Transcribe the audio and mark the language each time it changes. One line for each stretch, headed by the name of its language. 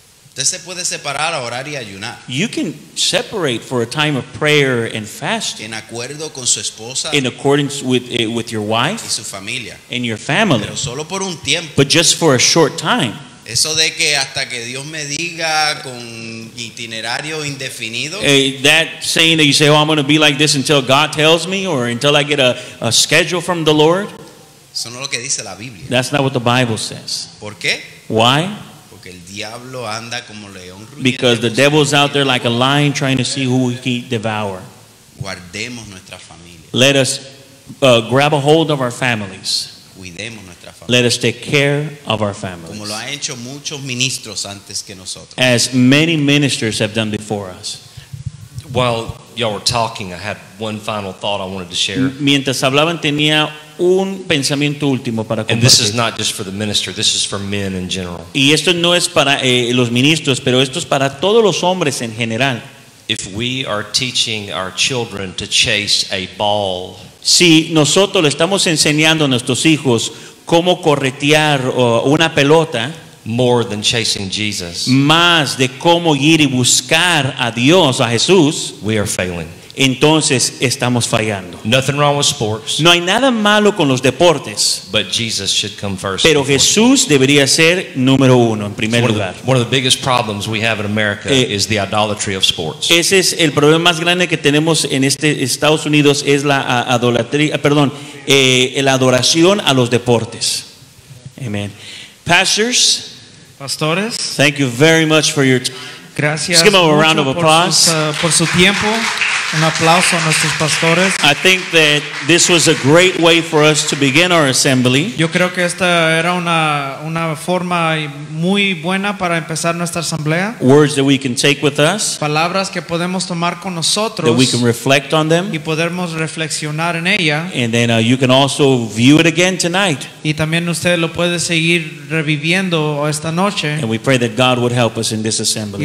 Spanish: Usted se puede separar a orar y ayunar.
English: You can separate for a time of prayer and fasting.
Spanish: En acuerdo con su esposa.
English: In accordance with your wife.
Spanish: Y su familia.
English: And your family.
Spanish: Pero solo por un tiempo.
English: But just for a short time.
Spanish: Eso de que hasta que Dios me diga con itinerario indefinido.
English: That saying that you say, oh, I'm going to be like this until God tells me or until I get a schedule from the Lord.
Spanish: Eso no es lo que dice la Biblia.
English: That's not what the Bible says.
Spanish: ¿Por qué?
English: Why?
Spanish: El diablo anda como león.
English: Because the devil's out there like a lion trying to see who he can devour.
Spanish: Guardemos nuestra familia.
English: Let us grab a hold of our families.
Spanish: Cuidemos nuestra familia.
English: Let us take care of our families.
Spanish: Como lo han hecho muchos ministros antes que nosotros.
English: As many ministers have done before us. While y'all were talking, I had one final thought I wanted to share.
Spanish: Mientras hablaban, tenía un pensamiento último para compartir.
English: And this is not just for the minister, this is for men in general.
Spanish: Y esto no es para los ministros, pero esto es para todos los hombres en general.
English: If we are teaching our children to chase a ball.
Spanish: Si nosotros le estamos enseñando a nuestros hijos cómo corretear una pelota.
English: More than chasing Jesus.
Spanish: Más de cómo ir y buscar a Dios, a Jesús.
English: We are failing.
Spanish: entonces estamos fallando.
English: Nothing wrong with sports.
Spanish: No hay nada malo con los deportes.
English: But Jesus should come first.
Spanish: Pero Jesús debería ser número uno en primer lugar.
English: One of the biggest problems we have in America is the idolatry of sports.
Spanish: Ese es el problema más grande que tenemos en este Estados Unidos, es la idolatría, perdón, la adoración a los deportes.
English: Amen. Pastors.
Spanish: Pastores.
English: Thank you very much for your time.
Spanish: Gracias.
English: Give them a round of applause.
Spanish: Por su tiempo. Un aplauso a nuestros pastores.
English: I think that this was a great way for us to begin our assembly.
Spanish: Yo creo que esta era una forma muy buena para empezar nuestra asamblea.
English: Words that we can take with us.
Spanish: Palabras que podemos tomar con nosotros.
English: That we can reflect on them.
Spanish: Y podemos reflexionar en ella.
English: And then you can also view it again tonight.
Spanish: Y también usted lo puede seguir reviviendo esta noche.
English: And we pray that God would help us in this assembly.